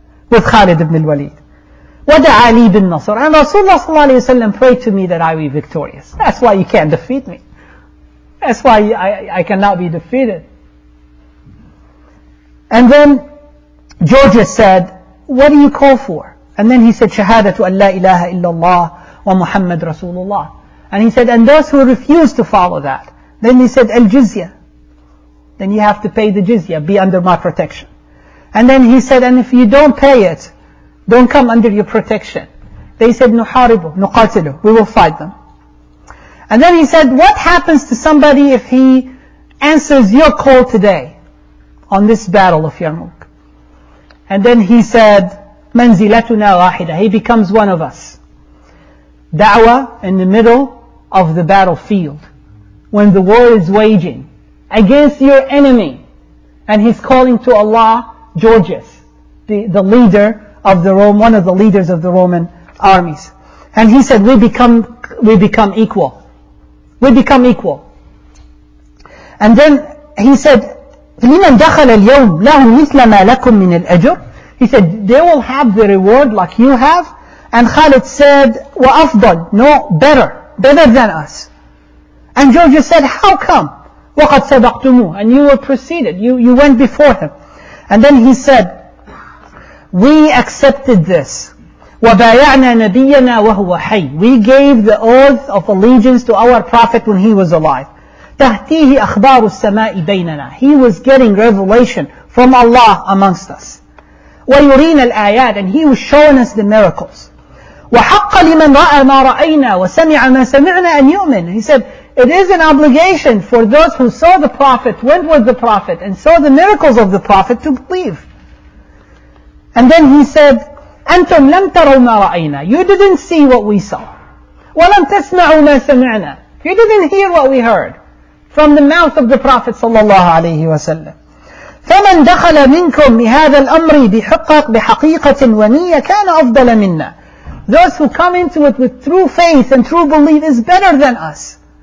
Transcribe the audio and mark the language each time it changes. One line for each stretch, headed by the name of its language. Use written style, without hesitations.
English: With Khalid ibn al-Walid.
Arabic: وَدَعَ لِي بِالنَّصْرِ.
English: And Rasulullah sallallahu alayhi wa sallam prayed to me that I be victorious. That's why you can't defeat me. That's why I cannot be defeated. And then George said, what do you call for? And then he said,
Arabic: شَهَادَةُ أَن لَا إِلَهَ إِلَّا اللَّهِ وَمُحَمَّدْ رَسُولُ اللَّهِ.
English: And he said, and those who refuse to follow that. Then he said, الْجِزْيَة. Then you have to pay the jizya, be under my protection. And then he said, and if you don't pay it, don't come under your protection. They said,
Arabic: نُحَارِبُ نُقَاتِلُ.
English: We will fight them. And then he said, what happens to somebody if he answers your call today on this battle of Yarmouk? And then he said,
Arabic: مَنْزِلَتُنَا وَاحِدَةً.
English: He becomes one of us. Da'wah in the middle of the battlefield. When the war is waging against your enemy and he's calling to Allah, Georgius, the leader of the Rome, one of the leaders of the Roman armies. And he said, we become equal. We become equal. And then he said,
Arabic: لِمَنْ دَخَلَ الْيَوْمْ لَهُمْ مِثْلَ مَا لَكُمْ مِنَ الْأَجْرِ.
English: He said, they will have the reward like you have. And Khalid said,
Arabic: وَأَفْضَلْ.
English: No, better. Better than us. And Georgius said, how come?
Arabic: وَقَدْ سَبَقْتُمُهُ.
English: And you were preceded. You went before him. And then he said, we accepted this
Arabic: وَبَايَعْنَا نَبِيَّنَا وَهُوَ حَيٍّ.
English: We gave the oath of allegiance to our Prophet when he was alive.
Arabic: تَهْتِيهِ أَخْبَارُ السَّمَاءِ بَيْنَنَا.
English: He was getting revelation from Allah amongst us.
Arabic: وَيُرِينَا الْآيَاتِ.
English: And he was showing us the miracles.
Arabic: وَحَقَّ لِمَنْ رَأَى مَا رَأَيْنَا وَسَمِعَ مَا سَمِعْنَا أَنْ يُؤْمِنَ.
English: He said, it is an obligation for those who saw the Prophet, went with the Prophet, and saw the miracles of the Prophet to believe. And then he said,
Arabic: أَنْتُمْ لَمْ تَرَوْ مَا رَأَيْنَا.
English: You didn't see what we saw.
Arabic: وَلَمْ تَسْمَعُوا مَا سَمِعْنَا.
English: You didn't hear what we heard from the mouth of the Prophet
Arabic: صلى الله عليه وسلم. فَمَنْ دَخَلَ مِنْكُمْ بِهَذَا الْأَمْرِ بِحَقِيقَةٍ وَنِيَّةٍ كَانَ أَفْضَلَ مِنَّا.
English: Those who come into it with true faith and true belief is better than us.